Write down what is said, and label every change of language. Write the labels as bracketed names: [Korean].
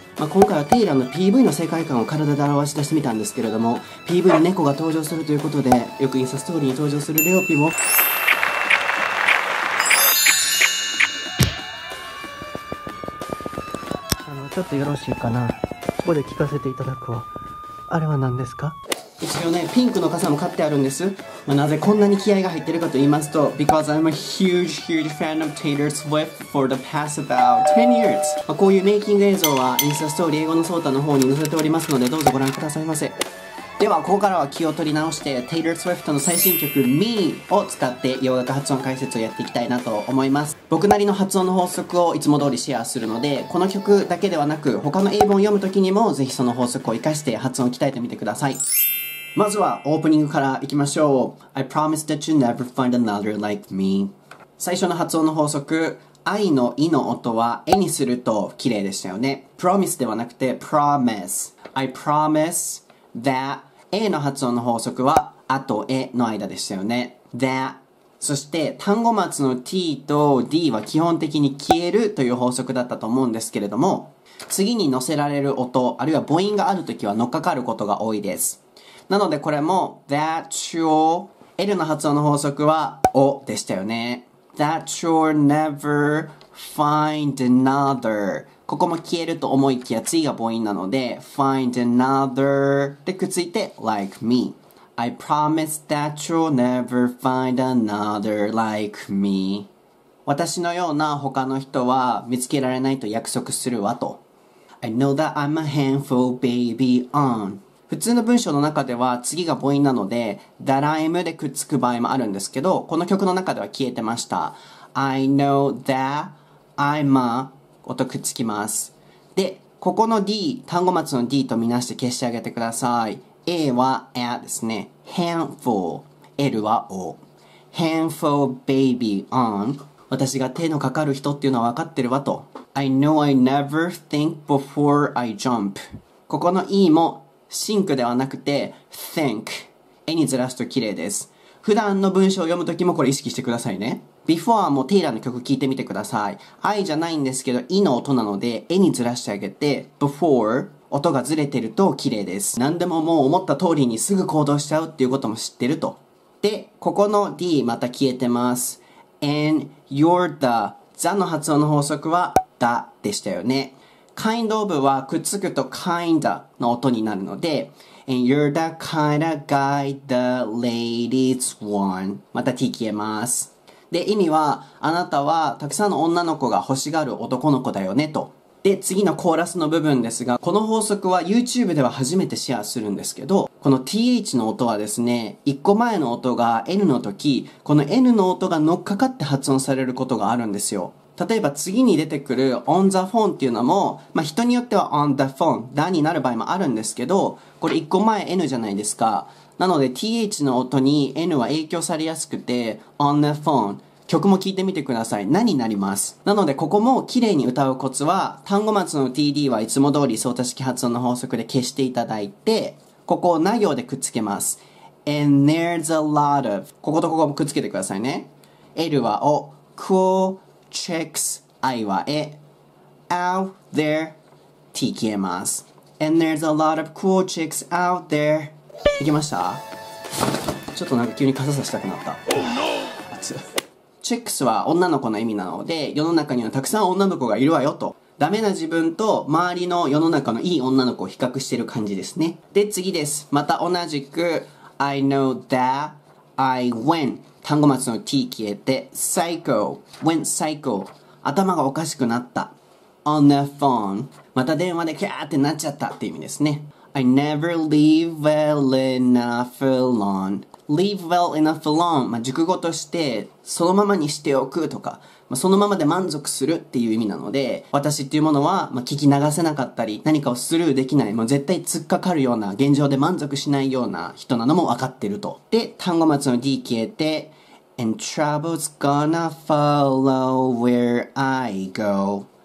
[Japanese] まあ、今回はテイラーの PV の世界観を体で表し出してみたんですけれども、 PV に猫が登場するということで、よくインスタストーリーに登場するレオピも、ちょっとよろしいかな、ここで聞かせていただくわ。あれは何ですか？一応ね、ピンクの傘も買ってあるんです。まあ、なぜこんなに気合が入ってるかと言いますと、 [English] Because I'm a huge, huge fan of Taylor Swift for the past about 10 years。 [Japanese] まあ、こういうメイキング映像はインスタストーリー英語のソータの方に載せておりますので、どうぞご覧くださいませ。ではここからは気を取り直して、 Taylor Swift の最新曲 Me を使って洋楽発音解説をやっていきたいなと思います。僕なりの発音の法則をいつも通りシェアするので、この曲だけではなく他の英文を読むときにも、ぜひその法則を活かして発音を鍛えてみてください。まずはオープニングからいきましょう。 [English] I promise that you never find another like me。 [Japanese] 最初の発音の法則、 I のイの音はエにすると綺麗でしたよね。 Promise ではなくて Promise。 [English] I promise that、 [Japanese] A の発音の法則はあとエの間でしたよね。 [English] That。 [Japanese] そして単語末の T と D は基本的に消えるという法則だったと思うんですけれども、次に乗せられる音、あるいは母音があるときは乗っかかることが多いです。なのでこれも [English] That's your、 [Japanese] L の発音の法則はおでしたよね。 [English] That's your never find another。 [Japanese] ここも消えると思いきや次が母音なので、 [English] find another [Japanese] でくっついて [English] like me。 I promise that you'll never find another like me。 [Japanese] 私のような他の人は見つけられないと約束するわと。 [English] I know that I'm a handful baby on。 [Japanese] 普通の文章の中では次が母音なので [English] That I'm [Japanese] でくっつく場合もあるんですけど、この曲の中では消えてました。 [English] I know that I'm a [Japanese] 音くっつきます。で、ここの D、 単語末の D とみなして消してあげてください。 A は A ですね。 Handful、 L は O。 [English] Handful baby on。 [Japanese] 私が手のかかる人っていうのは分かってるわと。 [English] I know I never think before I jump。 [Japanese] ここの E もシンクではなくて think、 絵にずらすと綺麗です。普段の文章を読むときもこれ意識してくださいね。Before もテイラーの曲聴いてみてください。 I じゃないんですけど E の音なので、絵にずらしてあげて Before、 音がずれてると綺麗です。何でももう思った通りにすぐ行動しちゃうっていうことも知ってると。で、ここの D また消えてます。 [English] And you're the、 [Japanese] the の発音の法則は the でしたよね。 [English] kind of はくっつくと kinda の音になるので、and you're the kind of guy the ladies want。 [Japanese] また T 消えます。で、意味はあなたはたくさんの女の子が欲しがる男の子だよねと。で、次のコーラスの部分ですが、この法則は YouTube では初めてシェアするんですけど、この TH の音はですね、一個前の音が N の時、この N の音が乗っかかって発音されることがあるんですよ。例えば次に出てくる [English] on the phone [Japanese] っていうのも、まあ、人によっては on the phone、 だになる場合もあるんですけど、これ一個前 n じゃないですか。なので th の音に n は影響されやすくて [English] on the phone、 [Japanese] 曲も聞いてみてください、なになります。なのでここも綺麗に歌うコツは、単語末の td はいつも通り操作式発音の法則で消していただいて、ここをな行でくっつけます。 [English] and there's a lot of、 [Japanese] こことここもくっつけてくださいね。 l はお、 coolchecks、 I は A、 out there、 T 消えます。 [English] and there's a lot of cool chicks out there。 [Japanese] いけました？ちょっとなんか急に傘さしたくなった。 [English] oh no! [Japanese] chicks は女の子の意味なので、世の中にはたくさん女の子がいるわよと。ダメな自分と周りの世の中のいい女の子を比較してる感じですね。で、次です。また同じく [English] I know that I went、 [Japanese] 単語末の T 消えて psycho、 went psycho、 頭がおかしくなった。 [English] on the phone、 [Japanese] また電話でキャーってなっちゃったって意味ですね。 [English] I never leave well enough alone。 leave well enough alone、 [Japanese] まあ熟語としてそのままにしておくとか、まあ、そのままで満足するっていう意味なので、私っていうものは、まあ、聞き流せなかったり何かをスルーできない、もう絶対突っかかるような現状で満足しないような人なのも分かってると。で、単語末の D 消えて [English] And trouble's gonna follow where I go。